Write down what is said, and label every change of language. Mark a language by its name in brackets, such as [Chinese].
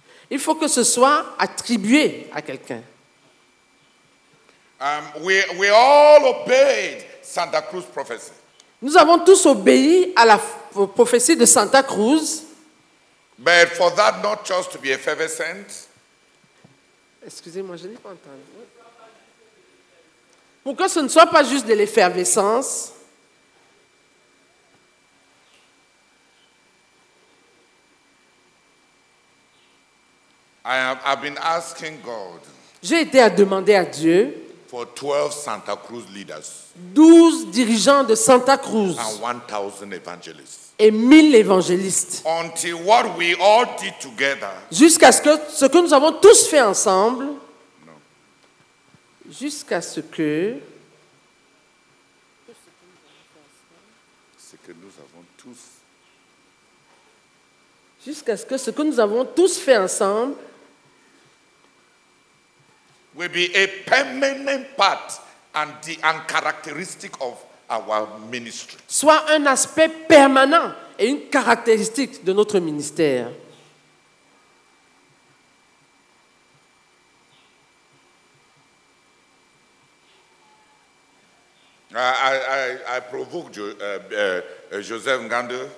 [French] Il faut que ce soit attribué à quelqu'un. [English] We all obeyed Santa Cruz prophecy. [French] Nous avons tous obéi à la prophétie de Santa Cruz. [English] But for that not just to be effervescent. [French] Excusez-moi, je n'ai pas entendu. Pour que ce ne soit pas juste de l'effervescence. [English] I've been asking God. [French] J'ai été à demander à Dieu. [English] For 12 Santa Cruz leaders. [French] 12 dirigeants de Santa Cruz. [English] And 1,000 evangelists. [French] et 1000 évangélistes. [English] Until what we all did together. [French] Jusqu'à ce que nous avons tous fait ensemble. No. Jusqu'à ce que. Ce que nous avons tous. Jusqu'à ce que nous avons tous fait ensemble. [English] Will be a permanent part and the characteristic of our ministry. [French] Soit un aspect permanent et une caractéristique de notre ministère. [English] I provoke Joseph Ngandu.